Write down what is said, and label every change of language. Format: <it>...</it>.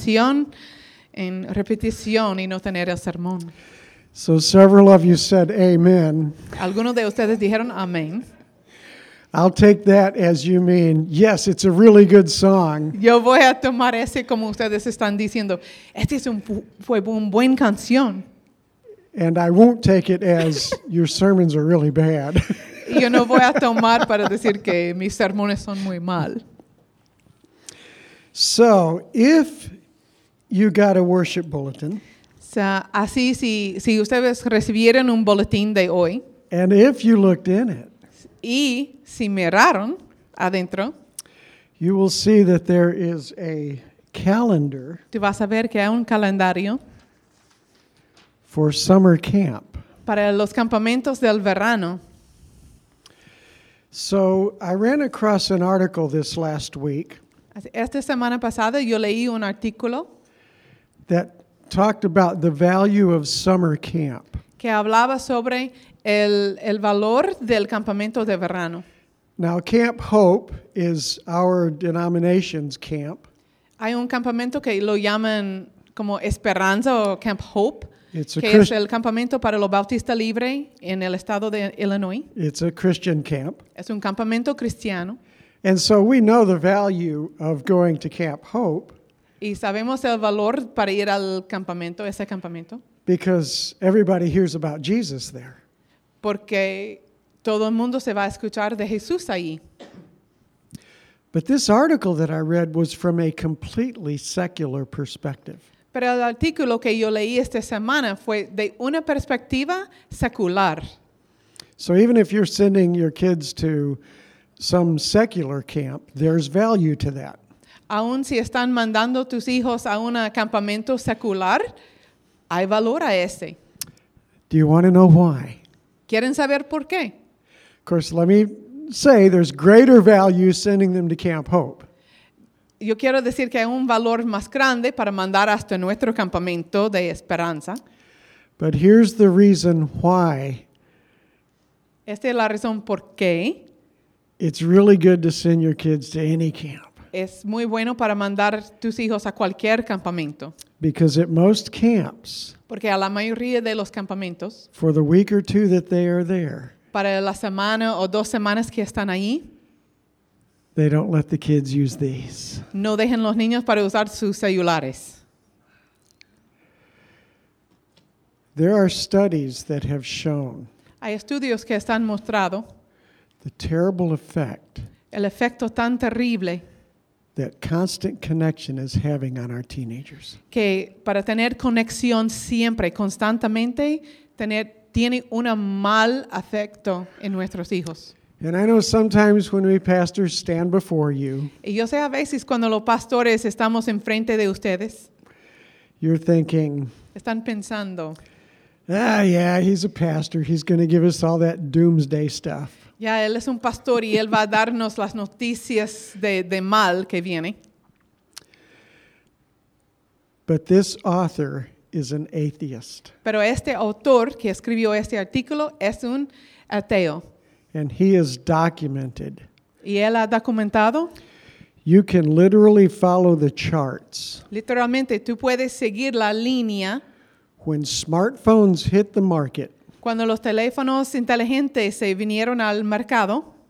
<es>oración en repetición y no tener el sermón.</es> <en>So several of you said amen.</en> <es>Algunos de ustedes dijeron amén.</es> <en>I'll take that as you mean, yes, it's a really good song.</en> <es>Yo voy a tomar ese como ustedes están diciendo. Este es un buen canción.</es> <en>And I won't take it as your sermons are really bad.</en> <es>Yo no voy a tomar para decir que mis sermones son muy mal.</es> <en>So, if you got a worship bulletin,</en> <es>so, así si ustedes recibieron un boletín de hoy,</es> <en>and if you looked in it,</en> <es>y si miraron adentro,</es> <en>you will see that there is a calendar.</en> <es>Tú vas a ver que hay un calendario</es> <en>for summer camp.</en> <es>Para los campamentos del verano.</es> <en>So, I ran across an article this last week.</en> <es>Esta semana pasada yo leí un artículo</es> <en>that talked about the value of summer camp.</en> <es>Que hablaba sobre el valor del campamento de verano.</es> <en>Now, Camp Hope is our denomination's camp.</en> <es>Hay un campamento que lo llaman como Esperanza o Camp Hope. Es el campamento para los bautistas libres en el estado de Illinois.</es> <en>It's a Christian camp.</en> <es>Es un campamento cristiano.</es> <en>And so we know the value of going to Camp Hope.</en> <es>Y sabemos el valor para ir al campamento, ese campamento.</es> <en>Because everybody hears about Jesus there.</en> <es>Porque todo el mundo se va a escuchar de Jesús allí.</es> <en>But this article that I read was from a completely secular perspective.</en> <es>Pero el artículo que yo leí esta semana fue de una perspectiva secular.</es> <en>So even if you're sending your kids to some secular camp, there's value to that.</en> <es>Aún si están mandando tus hijos a un campamento secular, hay valor a ese.</es> <en>Do you want to know why?</en> <es>¿Quieren saber por qué?</es> <en>Of course, let me say there's greater value sending them to Camp Hope.</en> <es>Yo quiero decir que hay un valor más grande para mandar hasta nuestro campamento de esperanza.</es> <en>But here's the reason why.</en> <es>Esta es la razón por qué.</es> <en>It's really good to send your kids to any camp.</en> <es>Es muy bueno para mandar tus hijos a cualquier campamento.</es> <en>Because at most camps,</en> <es>porque a la mayoría de los campamentos,</es> <en>for the week or two that they are there,</en> <es>para la semana o dos semanas que están ahí,</es> <en>they don't let the kids use these.</en> <es>No dejen los niños para usar sus celulares.</es> <en>There are studies that have shown</en> <es>hay estudios que están mostrado</es> <en>the terrible effect</en> <es>el efecto tan terrible</es> <en>that constant connection is having on our teenagers.</en> <es>Que para tener conexión siempre, constantemente, tiene un mal efecto en nuestros hijos.</es> <en>And I know sometimes when we pastors stand before you,</en> <es>y yo sé a veces cuando los pastores estamos enfrente de ustedes,</es> <en>you're thinking,</en> <es>están pensando,</es> <en>ah, yeah, he's a pastor. He's going to give us all that doomsday stuff.</en> <es>Ya, él es un pastor y él va a darnos las noticias de mal que viene.</es> <en>But this author is an atheist.</en> <es>Pero este autor que escribió este artículo es un ateo.</es> <en>And he is documented.</en> <es>¿Y él ha documentado?</es> <en>You can literally follow the charts.</en> <es>Literalmente, tú puedes seguir la línea.</es> <en>When smartphones hit the market,</en> <es>cuando los teléfonos inteligentes se vinieron al mercado,</es>